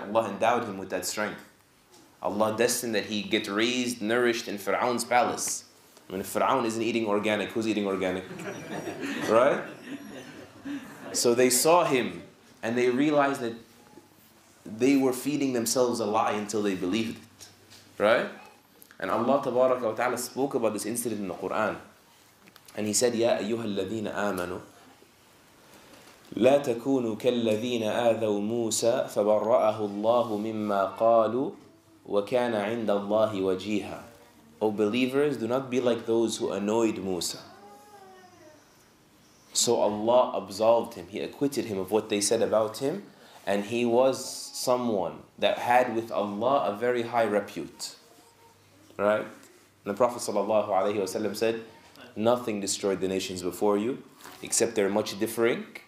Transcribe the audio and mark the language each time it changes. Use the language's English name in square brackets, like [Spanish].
[English] Allah endowed him with that strength. Allah destined that he get raised, nourished in Fir'aun's palace. I mean, if Fir'aun isn't eating organic, who's eating organic? Right? So they saw him and they realized that they were feeding themselves a lie until they believed it. Right? And Allah tabaraka wa ta'ala spoke about this incident in the Quran. And he said, [Arabic] Ya ayyuhal ladhina amanu, لا تكونوا كالذين آذوا موسى فبرأه الله مما قالوا وكان عند الله وجيها. [English] O believers, do not be like those who annoyed Musa. So Allah absolved him. He acquitted him of what they said about him. And he was someone that had with Allah a very high repute. Right? And the Prophet sallallahu alayhi wa sallam said, nothing destroyed the nations before you, except they're much differing.